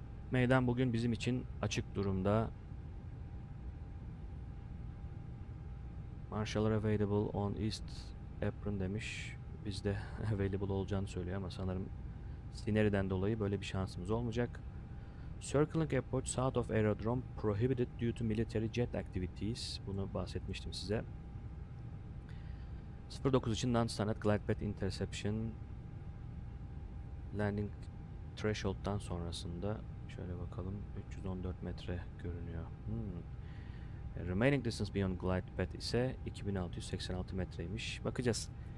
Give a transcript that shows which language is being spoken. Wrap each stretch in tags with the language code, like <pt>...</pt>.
<tr>Meydan bugün bizim için açık durumda.</tr> <en>Marshaller available on East Apron demiş.</en> <tr>Biz de available olacağını söylüyor ama sanırım Sineri'den dolayı böyle bir şansımız olmayacak.</tr> <en>Circling approach south of aerodrome prohibited due to military jet activities.</en> <tr>Bunu bahsetmiştim size. 09 için</tr> <en>non-standard glide path interception.</en> <tr>Landing threshold'dan sonrasında şöyle bakalım, 314 metre görünüyor.</tr> <en>Remaining distance beyond glide path ise 2686 metreymiş. Bakacağız.</en>